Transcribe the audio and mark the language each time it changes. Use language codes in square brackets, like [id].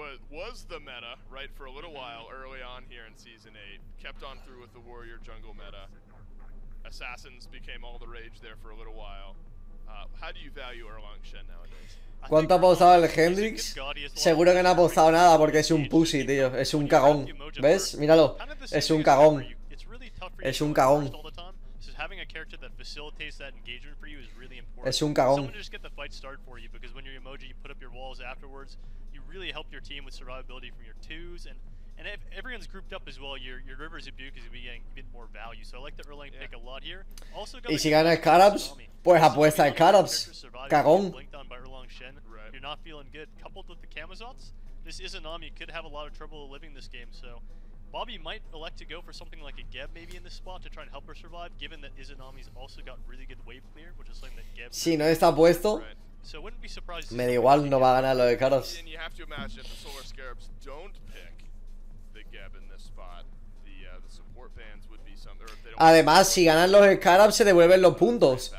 [en] Was the meta, right, for a little while early on here in Season 8, kept on through with the Warrior Jungle meta. Assassins became all the rage there for a little while. How do you value Erlang Shen nowadays? [es] ¿Cuánto ha apostado el Hendrix? Seguro que no ha apostado nada porque es un pussy, tío. Es un cagón. ¿Ves? Míralo. Es un cagón. Es un cagón. [en] Having a character that facilitates that engagement for you is really important. [es] Es un cagón. [en] Someone just get the fight started for you, because when you're Yemoja, you put up your walls afterwards. You really help your team with survivability from your twos, and if everyone's grouped up as well, your River's Rebuke is going to be getting a bit more value. So I like the Erlang pick a lot here. Also, [es] y si gana Scarabs, pues apuesta en Scarabs. Cagón. [en] Blinked on by Erlang Shen. Right. You're not feeling good. Coupled with the Kamazots, this is a Nami. You could have a lot of trouble living this game, so... Bobby might elect to go for something like a Geb maybe in this spot to try and help her survive, given that Izanami's also got really good wave clear, which is something that Geb... [es] Si, no está puesto, [en] so wouldn't be surprised [es] me da igual, no va a ganar lo de Karos. [en] And you have to imagine if the Solar Scarabs don't pick the Geb in this spot, the support bans would be something... [es] Además, si ganan los Scarabs, se devuelven los puntos.